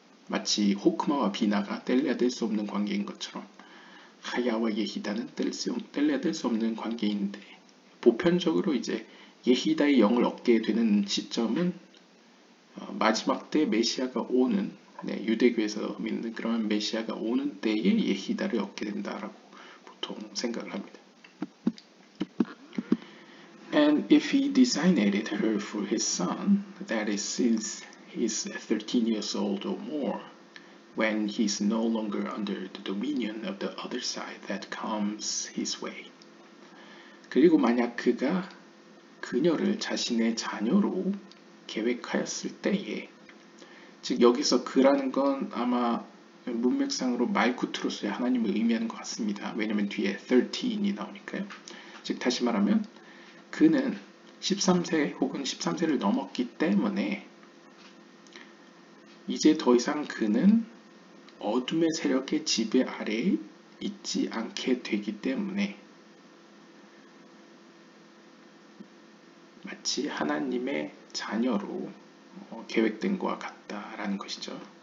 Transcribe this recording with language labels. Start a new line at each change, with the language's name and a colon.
Korean: 마치 호크마와 비나가 뗄래야 뗄 수 없는 관계인 것처럼 하야와 예히다는 뗄래야 뗄 수 없는 관계인데 보편적으로 이제 예히다의 영을 얻게 되는 시점은 마지막 때 메시아가 오는 유대교에서 믿는 그러한 메시아가 오는 때에 예히다를 얻게 된다라고 보통 생각을 합니다.
English: And if he designated her for his son, that is since he's 13 years old or more, when he's no longer under the dominion of the other side that comes his way.
Korean: 그리고 만약 그가 그녀를 자신의 자녀로 계획하였을 때에, 즉 여기서 그라는 건 아마 문맥상으로 말쿠트로서의 하나님을 의미하는 것 같습니다. 왜냐하면 뒤에 13이 나오니까요. 즉 다시 말하면 그는 13세 혹은 13세를 넘었기 때문에 이제 더 이상 그는 어둠의 세력의 지배 아래에 있지 않게 되기 때문에 마치 하나님의 자녀로 계획된 것 같다라는 것이죠.